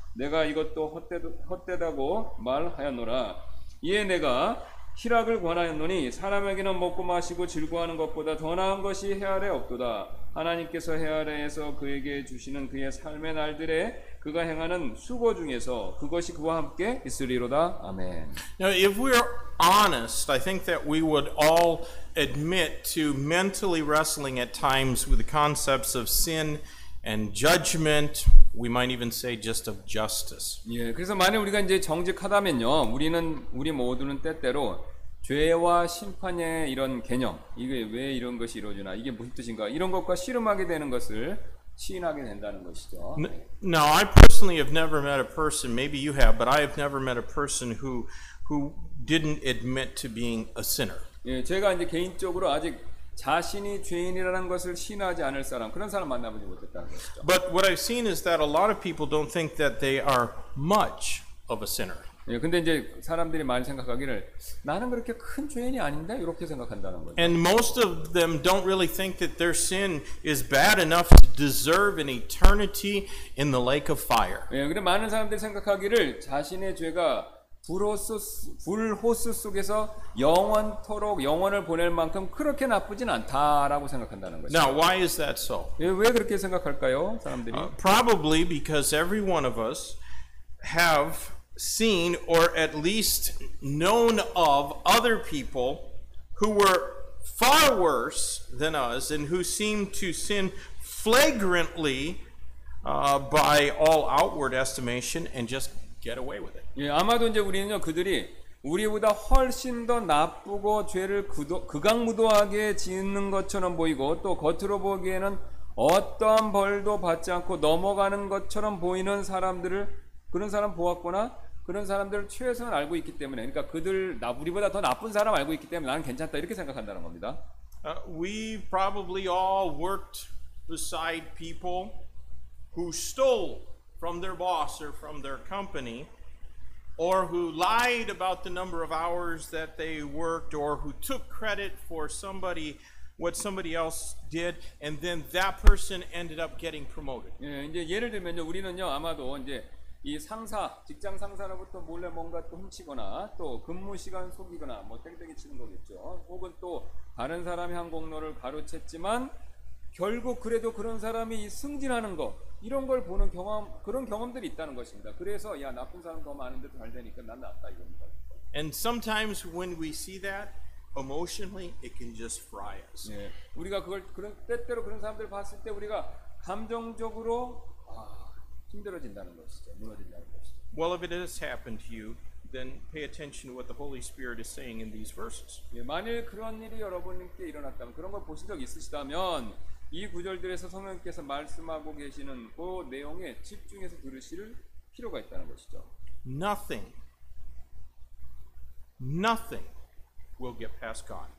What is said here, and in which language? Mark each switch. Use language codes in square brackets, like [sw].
[ko] 내가 이것도 헛되다고 말하였노라. 이에 내가 희락을 권하였노니 사람에게는 먹고 마시고 즐거워하는 것보다 더 나은 것이 해 아래 없도다. 하나님께서 해 아래에서 그에게 주시는 그의 삶의 날들에 그가 행하는 수고 중에서 그것이 그와 함께 있으리로다. 아멘. [en] Now, if we are honest, I think that we would all admit to mentally wrestling at times with the concepts of sin and judgment. We might even say just of justice. [ko] 예, 그래서 만약 우리가 이제 정직하다면요, 우리 모두는 때때로 죄와 심판의 이런 개념, 이게 왜 이런 것이 이루어지나, 이게 무슨 뜻인가, 이런 것과 씨름하게 되는 것을 시인하게 된다는 것이죠. [en] Now, I personally have never met a person. Maybe you have, but I have never met a person who didn't admit to being a sinner. [ko] 예, 제가 이제 개인적으로 아직 자신이 죄인이라는 것을 시인하지 않을 사람, 그런 사람 만나보지 못했다는 것이죠. [en] But what I've seen is that a lot of people don't think that they are much of a sinner. [ko] 예, 근데 이제 사람들이 많이 생각하기를 나는 그렇게 큰 죄인이 아닌데 이렇게 생각한다는 거죠. [en] And most of them don't really think that their sin is bad enough to deserve an eternity in the lake of fire. [ko] 예, 근데 많은 사람들이 생각하기를 자신의 죄가 불호수 속에서 영원토록 영원을 보낼 만큼 그렇게 나쁘진 않다라고 생각한다는 거죠. [en] Now, why is that so? [ko] 왜 그렇게 생각할까요, 사람들이? [en] Probably because every one of us have seen or at least known of other people who were far worse than us and who seemed to sin flagrantly by all outward estimation and just get away with it. [ko] 예, 아마도 이제 우리는요, 그들이 우리보다 훨씬 더 나쁘고 죄를 극악무도하게 짓는 것처럼 보이고 또 겉으로 보기에는 어떠한 벌도 받지 않고 넘어가는 것처럼 보이는 사람들을 그런 사람 보았거나 그런 사람들을 최소한 알고 있기 때문에 그러니까 그들 우리보다 더 나쁜 사람 알고 있기 때문에 나는 괜찮다 이렇게 생각한다는 겁니다. [en] We probably all worked beside people who stole from their boss or from their company, or who lied about the number of hours that they worked, or who took credit for somebody, what somebody else did, and then that person ended up getting promoted. [ko] 예, 이제 예를 들면요, 우리는요, 아마도 이제 이 상사, 직장 상사로부터 몰래 뭔가 또 훔치거나 또 근무 시간 속이거나 뭐 땡땡이 치는 거겠죠. 혹은 또 다른 사람의 한 공로를 가로챘지만 결국 그래도 그런 사람이 승진하는 거 이런 걸 보는 경험, 그런 경험들이 있다는 것입니다. 그래서 야 나쁜 사람 더 많은데 잘 되니까 난 낫다 이겁니다. [en] And sometimes when we see that emotionally, it can just fry us. [ko] 예, 우리가 그걸 그런 때때로 그런 사람들 봤을 때 우리가 감정적으로 힘들어진다는 것이죠. 무너진다는 것이죠. [en] Well, if it has happened to you, then pay attention to what the Holy Spirit is saying in these verses. [ko] 예, 만일 그런 일이 여러분께 일어났다면, 그런 걸 보신 적 있으시다면, 이 구절들에서 성령께서 말씀하고 계시는 그 내용에 집중해서 들으실 필요가 있다는 것이죠. [en] Nothing. Nothing will get past God.